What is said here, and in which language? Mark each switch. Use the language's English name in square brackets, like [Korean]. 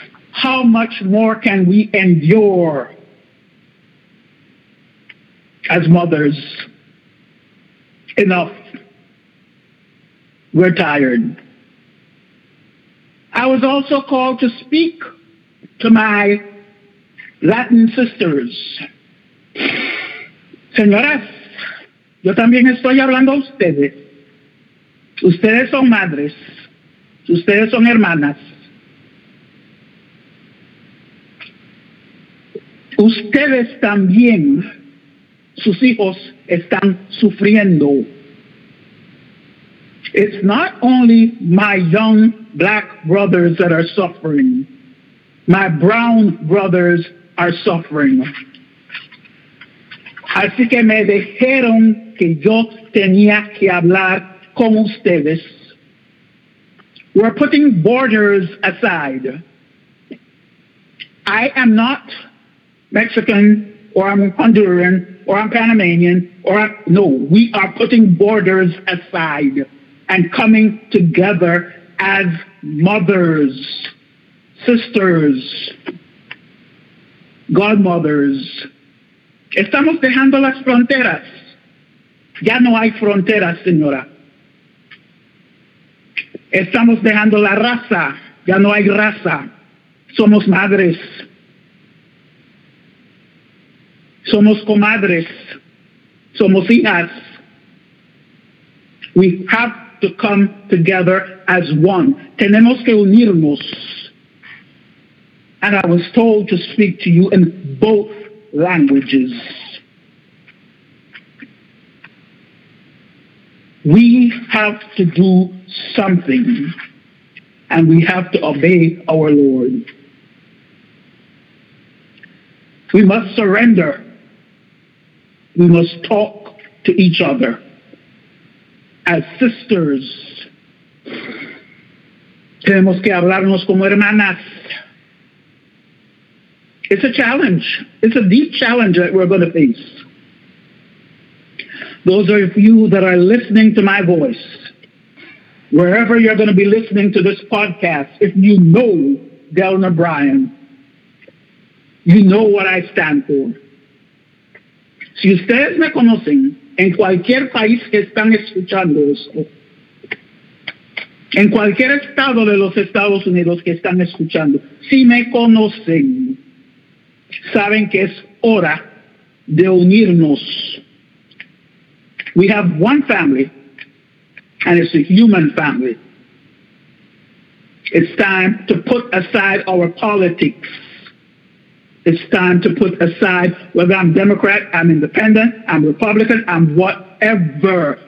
[English] How much more can we endure as mothers? Enough. We're tired. I was also called to speak to my Latin sisters. [Spanish] Señoras, yo también estoy hablando a ustedes. Ustedes son madres. Ustedes son hermanas. Ustedes también, sus hijos están sufriendo. [English] It's not only my young black brothers that are suffering. My brown brothers are suffering. [Spanish] Así que me dijeron que yo tenía que hablar con ustedes. [English] We're putting borders aside. I am not Mexican, or I'm Honduran, or I'm Panamanian, or no, we are putting borders aside and coming together as mothers, sisters, godmothers. [Spanish] Estamos dejando las fronteras. Ya no hay fronteras, señora. Estamos dejando la raza. Ya no hay raza. Somos madres. Somos comadres. Somos hijas. [English] We have to come together as one. [Spanish] Tenemos que unirnos. [English] And I was told to speak to you in both languages. We have to do something, and we have to obey our Lord. We must surrender. We must talk to each other as sisters. [Spanish] Tenemos que hablarnos como hermanas. [English] It's a challenge. It's a deep challenge that we're going to face. Those of you that are listening to my voice, wherever you're going to be listening to this podcast, if you know Delna Bryan, you know what I stand for. [Spanish] Si ustedes me conocen en cualquier país que están escuchando esto, en cualquier estado de los Estados Unidos que están escuchando, si me conocen, saben que es hora de unirnos. [English] We have one family, and it's a human family. It's time to put aside our politics. It's time to put aside whether I'm Democrat, I'm independent, I'm Republican, I'm whatever.